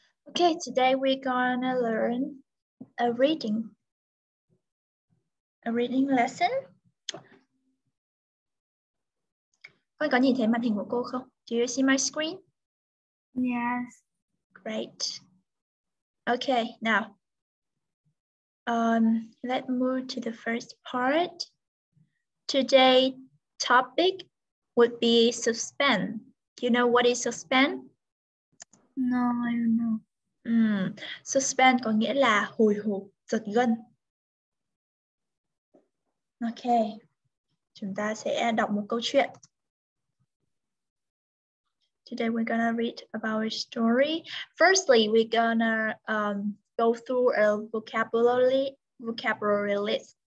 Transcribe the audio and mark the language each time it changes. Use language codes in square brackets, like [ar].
[en] Okay, today we're gonna learn a reading lesson. [vi] Con có nhìn thấy màn hình của cô không? [en] Do you see my screen? Yes. Great. Okay, now. Let's move to the first part. Today's topic would be suspend. Do you know what is suspend? No, I don't know. [vi] Suspend có nghĩa là hồi hộp, giật gân. Ok, chúng ta sẽ đọc một câu chuyện. [en] Today we're gonna read about a story. Firstly, we're gonna go through a vocabulary list.